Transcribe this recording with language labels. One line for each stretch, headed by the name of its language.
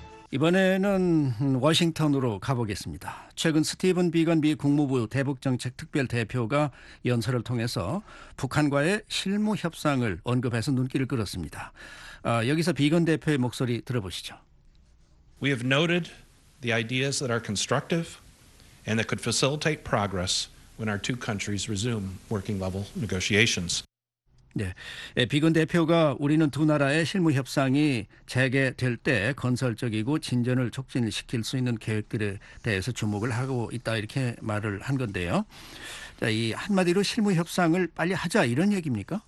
Korean: 이번에는 워싱턴으로 가보겠습니다. 최근 스티븐 비건 미 국무부 대북정책특별대표가 연설을 통해서 북한과의 실무협상을 언급해서 눈길을 끌었습니다. 여기서 비건 대표의 목소리 들어보시죠.
English: We have noted the ideas that are constructive and that could facilitate progress when our two countries resume working level negotiations.
Korean: 네, 비건 대표가 우리는 두 나라의 실무 협상이 재개될 때 건설적이고 진전을 촉진시킬 수 있는 계획들에 대해서 주목을 하고 있다 이렇게 말을 한 건데요. 자, 이 한마디로 실무 협상을 빨리 하자 이런 얘기입니까?